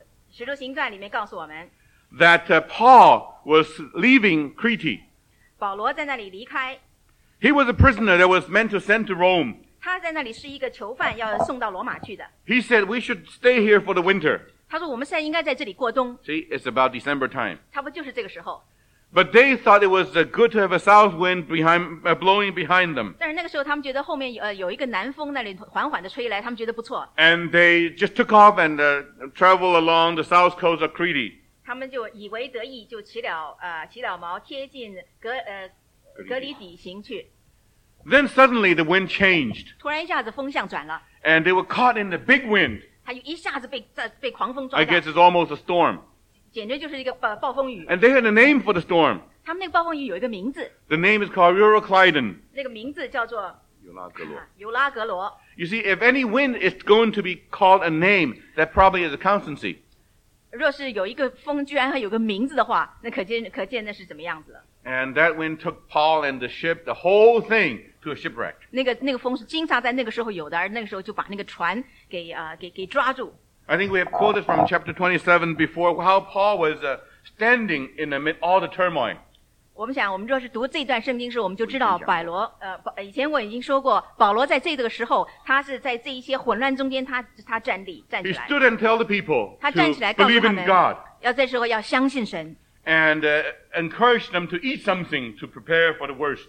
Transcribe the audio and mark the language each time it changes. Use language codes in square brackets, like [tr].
[zh] 使徒行传里面告诉我们。 [en] That Paul was leaving Crete. [zh] 保罗在那里离开。 [en] He was a prisoner that was meant to send to Rome. [zh] 他在那里是一个囚犯，要送到罗马去的。 [en] He said we should stay here for the winter. [zh] 他说我们现在应该在这里过冬。 [en] See, it's about December time. [zh] 差不多就是这个时候。 [en] But they thought it was good to have a south wind blowing behind them. [zh] 但是那个时候他们觉得后面有一个南风那里缓缓地吹来，他们觉得不错。 [en] And they just took off and traveled along the south coast of Crete. [zh] 他们就以为得意，就骑了毛，贴近隔离底行去。 [en] Then suddenly the wind changed. [zh] 突然一下子风向转了。 [en] And they were caught in the big wind. [zh] 他就一下子被狂风抓到。 [en] I guess it's almost a storm. [zh] 简直就是一个暴风雨。 [en] And they had a name for the storm. [zh] 他们那个暴风雨有一个名字。 [en] The name is called Eurocliden. [zh] 那个名字叫做尤拉格罗。尤拉格罗。 [en] You see, if any wind is going to be called a name, that probably is a constancy. [zh] 若是有一个风居然还有个名字的话，那可见那是怎么样子了。 [en] And that wind took Paul and the ship, the whole thing, to a shipwreck. [zh] 那个风是经常在那个时候有的，而那个时候就把那个船给抓住。 [en] I think we have quoted from chapter 27 before how Paul was standing in the midst of all the turmoil. [zh] 我们想，我们若是读这段圣经时，我们就知道保罗以前我已经说过，保罗在这个时候，他是在这一些混乱中间，他站起来。 [en] He stood and tell the people. [zh] 他站起来告诉他们。 [en] Believe in God. [zh] 要在时候要相信神。 [en] And encourage them to eat something to prepare for the worst.